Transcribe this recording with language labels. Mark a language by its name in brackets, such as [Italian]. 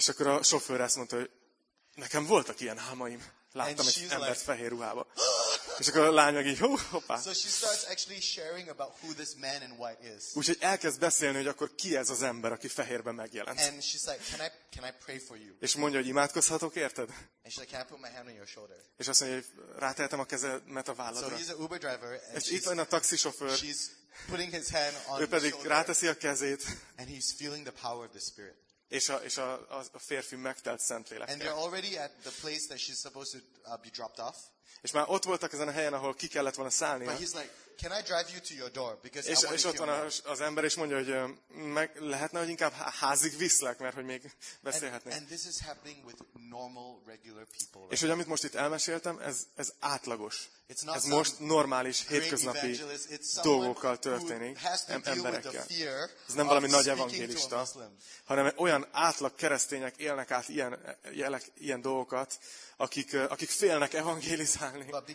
[Hungarian] És akkor a sofőr ezt mondta, hogy nekem voltak ilyen álmaim. Láttam egy embert [English] like, [Hungarian] fehér ruhába. És akkor a lány meg így, hoppá. [English] So she starts actually sharing about who this man in white is. [Hungarian] Úgyhogy elkezd beszélni, hogy akkor ki ez az ember, aki fehérben megjelent. [English] And she's like, can I pray for you? [Hungarian] És mondja, hogy imádkozhatok, érted? [English] And she's like, can I put my hand on your shoulder? [Hungarian] És azt mondja, hogy rátehetem a kezemet a válladra. [English] So he's an Uber driver. And [Hungarian] és itt van a taxisofőr. [English] She's putting his hand on [Hungarian] ő pedig ráteszi a kezét. [English] And he's feeling the power of the Spirit. [Hungarian] És a férfi megtelt Szentlélekkel. [English] And they're already at the place that she's supposed to be dropped off. [Hungarian] És már ott voltak ezen a helyen, ahol ki kellett volna szállnia. [English] But he's like, can I drive you to your door? [Hungarian] Because és ott van az ember, és mondja, hogy meg lehetne, hogy inkább házig viszlek, mert hogy még beszélhetnék. [English] And this is happening with normal, regular people. [Hungarian] Right? És hogy amit most itt elmeséltem, ez átlagos. Ez most normális, hétköznapi dolgokkal történik emberekkel. Ez nem valami nagy evangélista, hanem olyan átlag keresztények élnek át ilyen dolgokat, akik félnek evangélizálni.